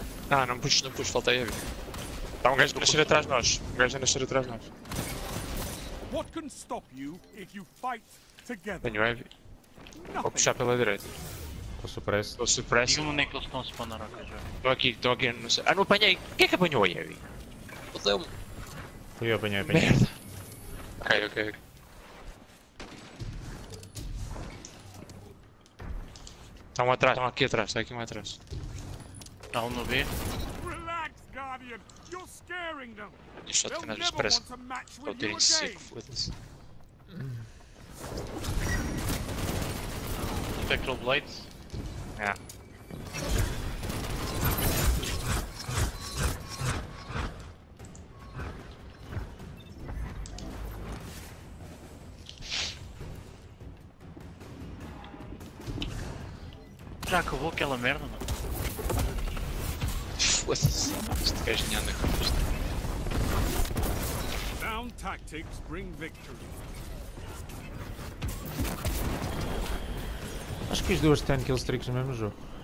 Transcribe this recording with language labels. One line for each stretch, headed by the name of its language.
Portuguese: Ah, não puxes, não puxes, falta a Eve. Está um gajo a nascer atrás de nós. Um gajo a nascer atrás de nós.
English: What can stop you if you fight together?
Portuguese: Tenho Eve. Vou puxar pela direita. Estou surpreso. Estou surpreso. E onde é que eles estão a spawnar? Estou aqui, estou aqui. Não sei. Ah, não apanhei. Quem é que apanhou a Eve? Fodeu-me. Fui eu, apanhei, apanhei. Merda. Ok, ok, ok. Estão atrás, estão aqui atrás, está aqui um atrás. Está um no B.
English: Relax, Guardian! You're scaring them!
Portuguese: Isto é que nós parece. Estou tirando em seco, foda-se.
English: Spectral Blade? É. Yeah.
Portuguese: Já acabou aquela merda, mano? Foda-se, este gajo nem anda com isto.
English: Bound tactics bring victory.
Portuguese: Acho que as duas 10 kill streaks no mesmo jogo.